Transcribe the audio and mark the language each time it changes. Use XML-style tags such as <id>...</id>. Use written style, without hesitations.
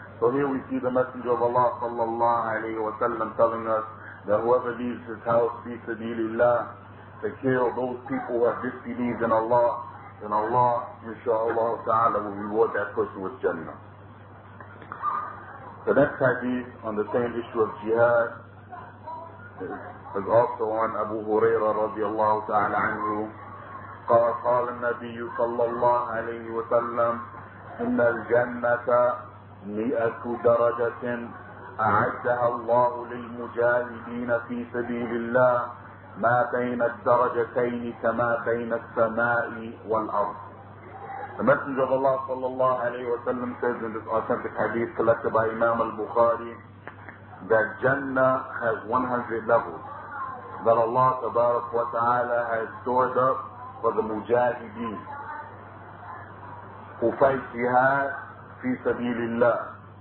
<en>So here we see the Messenger of Allah sallallahu alayhi wa sallam telling us that whoever leaves his house fi sabilillah to kill those people who have disbelieved in Allah, then Allah inshaAllah ta'ala will reward that person with Jannah. The next hadith on the same issue of jihad is also on Abu Huraira radiallahu ta'ala anhu.</en> <ar>قال النبي صلى الله عليه وسلم إن الجنة 100 درجة أعدها الله للمجاهدين في سبيل الله ما بين الدرجتين كما بين السماء والأرض.</ar> <en>The Messenger of Allah sallallahu alayhi wa sallam says in this authentic hadith collected by Imam al-Bukhari that Jannah has 100 levels that Allah tabarak wa ta'ala has stored up for the mujahideen who fight jihad fi sabilillah.</en>